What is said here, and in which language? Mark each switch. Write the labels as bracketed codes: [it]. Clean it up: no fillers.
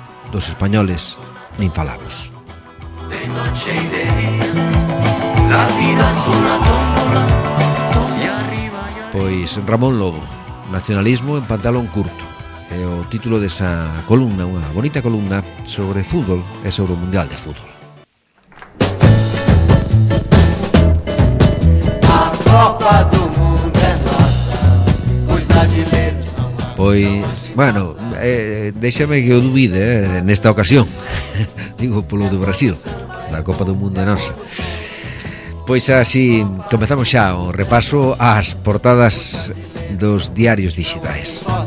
[gl] Dos españoles nin falamos. [es] De noche y de día, la vida es una tómbola. [gl] Pois Ramón Lobo, nacionalismo en pantalón curto, é o título desa columna, unha bonita columna sobre fútbol e sobre o Mundial de Fútbol. A Copa do Mundo é nosa, os brasileiros. Pois, bueno, déxame que eu duvide nesta ocasión. Digo polo do Brasil, a Copa do Mundo é nosa. Pois así, comezamos xa o repaso ás portadas dos diarios dixitais.